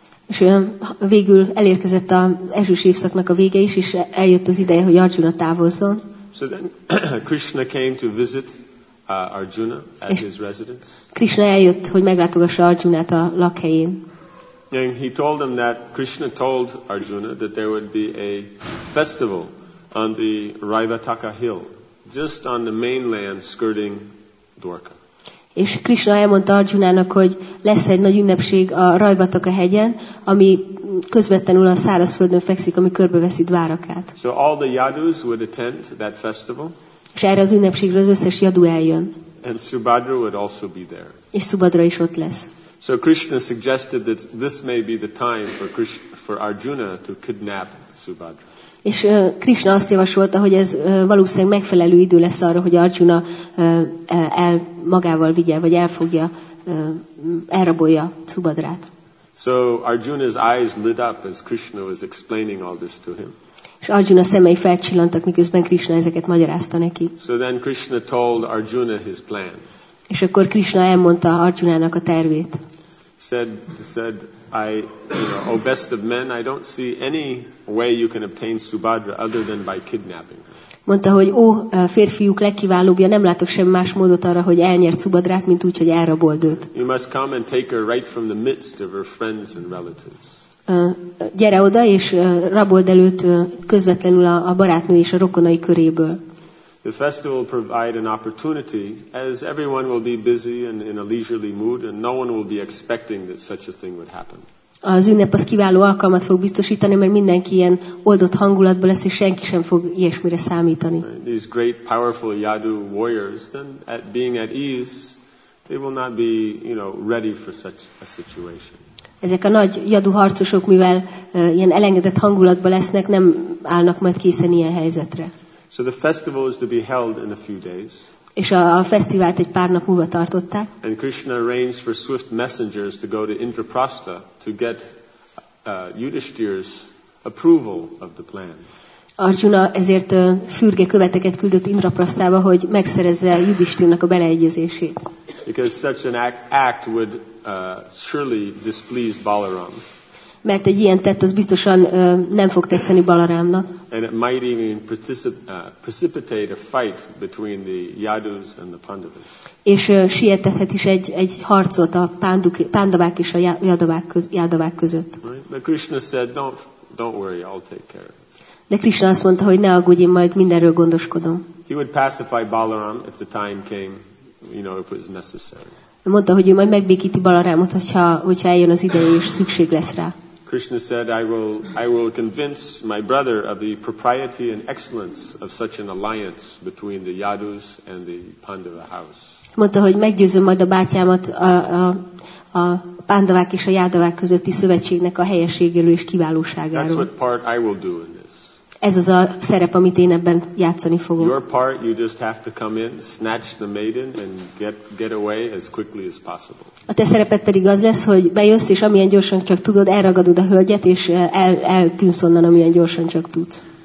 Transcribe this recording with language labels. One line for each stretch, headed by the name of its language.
Hungarian: És végül elérkezett az esős évszaknak a vége is, és eljött az ideje, hogy Arjuna távozzon.
English: So then Krishna came to visit Arjuna at his residence.
Hungarian: Krishna eljött, hogy meglátogassa Arjunát a lakhelyén.
English: And he told him that Krishna told Arjuna that there would be a festival on the Raivataka hill, just on the mainland skirting Dwarka.
Hungarian: És Krishna elmondta Arjunának, hogy lesz egy nagy ünnepség a Raivataka hegyen, ami közvetlenül a szárazföldön fekszik, ami körbeveszi Dvárakát.
English: So all the Yadus would attend that festival.
Hungarian: És erre az ünnepségre az összes Yadu eljön.
English: And Subhadra would also be there.
Hungarian: És Subhadra is ott lesz.
English: So Krishna suggested that this may be the time for Arjuna to kidnap Subhadra.
Hungarian: És Krishna azt javasolta, hogy ez valószínűleg megfelelő idő lesz arra, hogy Arjuna el magával vigye, vagy elfogja, elrabolja Subhadrát.
English: So Arjuna's eyes lit up as Krishna was explaining all this to him.
Hungarian: És Arjuna szemei felcsillantak, miközben Krishna ezeket magyarázta neki.
English: So then Krishna told Arjuna his plan.
Hungarian: És akkor Krishna elmondta Arjunának a tervét.
English: Said, I, O best of men, I don't see any way you can obtain Subhadra other than by kidnapping her.
Hungarian: Mondta, hogy ó, férfiúk legkiválóbbja, nem látok sem más módot arra, hogy elnyert Subhadrát, mint úgy, hogy elrabold őt.
English: You must come and take her right from the midst of her friends and relatives.
Hungarian: Gyere oda, és rabold előtt közvetlenül a barátnő és a rokonai köréből.
English: The festival will provide an opportunity, as everyone will be busy and in a leisurely mood, and no one will be expecting that such a thing would happen.
Hungarian: Az ünnep az kiváló alkalmat fog biztosítani, mert mindenki ilyen oldott hangulatban lesz, és senki sem fog ilyesmire számítani.
English: These great, powerful Yadu warriors, then at being at ease, they will not be, ready for such a situation.
Hungarian: Ezek a nagy Yadu harcosok, mivel ilyen elengedett hangulatban lesznek, nem állnak majd készen ilyen helyzetre.
English: So the festival is to be held in a few days.
Hungarian: És a fesztivált egy pár nap múlva tartották.
English: And Krishna arranged for swift messengers to go to Indraprastha to get Yudhishthira's approval of the plan.
Hungarian: Arjuna ezért fürge követeket küldött Indraprasthába, hogy megszerezze Yudhishthirának a beleegyezését.
English: Because such an act would surely displease Balaram.
Hungarian: Mert egy ilyen tett az biztosan nem fog tetszeni Balarámnak.
English: And it might even precipitate a fight between the Yadus and the Pandavas.
Hungarian: És sietethet is egy harcot a Pandavák és a Yadavák között.
English: Right? But Krishna said, don't worry, I'll take care of it.
Hungarian: De Krishna azt mondta, hogy ne aggódj, én majd mindenről gondoskodom.
English: He would pacify Balaram if the time came, if it was necessary.
Hungarian: Mondta, hogy ő majd megbékíti Balarámot, hogyha eljön az ideje és szükség lesz rá.
English: Krishna said, I will convince my brother of the propriety and excellence of such an alliance between the Yadus and the Pandava house.
Hungarian: Mondta, hogy meggyőzöm majd a bátyámat a Pandavák és a Yadavák közötti szövetségnek a helyességéről és kiválóságáról.
English: That's what part I will do in this.
Hungarian: Ez az a szerep, amit én ebben játszani fogok.
English: Your part, you just have to come in, snatch the maiden and get away as quickly as possible.
Hungarian: A te szereped pedig az lesz, hogy bejössz, és amilyen gyorsan csak tudod, elragadod a hölgyet, és eltűnsz onnan, amilyen gyorsan csak tudsz.